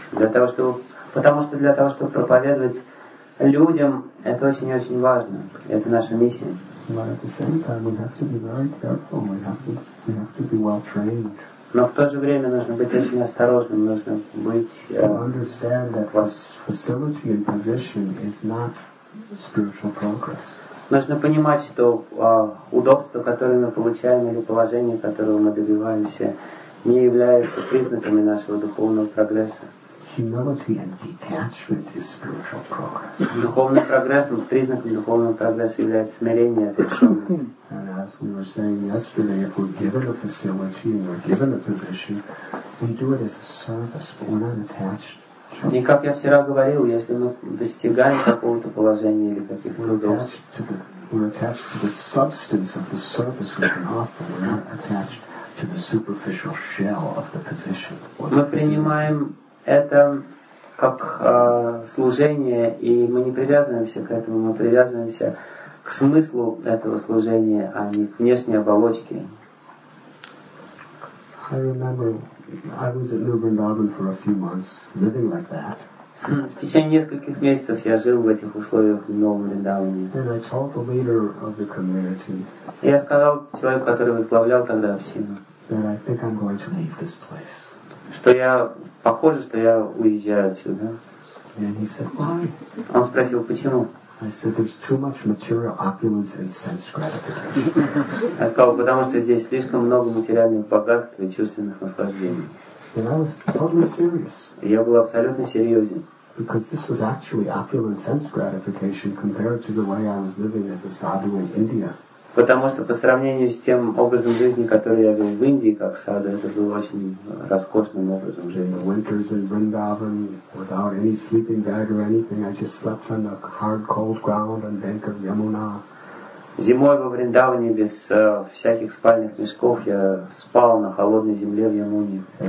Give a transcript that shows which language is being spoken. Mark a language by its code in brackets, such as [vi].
[ru] Потому что проповедовать людям, это очень-очень важно. Это наша миссия. [en] But at the same time, we have to be very careful. We have to be well trained. [ru] Но в то же время нужно быть очень осторожным, нужно быть... [en] To understand that facility and position is not spiritual progress. [ru] Нужно понимать, что удобство, которое мы получаем, или положение, которого мы добиваемся, не является признаками нашего духовного прогресса. [en] Humility and detachment is spiritual progress. [ru] Духовным прогрессом, признаком духовного прогресса является смирение, отрешенность. [en] And as we were saying yesterday, if we're given a facility and we're given a position, we do it as a service, but we're not attached. [ru] И как я вчера говорил, если мы достигаем какого-то положения или каких-то удобств, [en] we're attached to the substance of the service we can offer. We're not attached to the superficial shell of the position. [ru] Мы принимаем это как служение, и мы не привязываемся к этому, мы привязываемся к смыслу этого служения, а не к внешней оболочке. [en] I remember I was at New Vrindavan for a few months, living like that. [ru] В течение нескольких месяцев я жил в этих условиях в Новом Вриндаване. [en] And I told the leader of the community. [ru] Я сказал человеку, который возглавлял тогда общину. [en] That I think I'm going to leave this place. [ru] Что я похоже, что я уезжаю отсюда. [en] And he said, why? [ru] Он спросил, почему? [en] I said, there's too much material opulence and sense gratification. [ru] Я сказал, потому что здесь слишком много материальных богатств и чувственных наслаждений. [en] And I was totally serious. [ru] Я был абсолютно серьезен. [en] Because this was actually opulent sense gratification compared to the way I was living as a sadhu in India. [ru] Потому что по сравнению с тем образом жизни, который я вел в Индии как саду, это был очень роскошным образом жизни. [en] In winters in Vrindavan, without any sleeping bag or anything, I just slept on the hard, cold ground on bank of Yamuna. [ru] Зимой во Вриндаване без всяких спальных мешков я спал на холодной земле в Ямуне.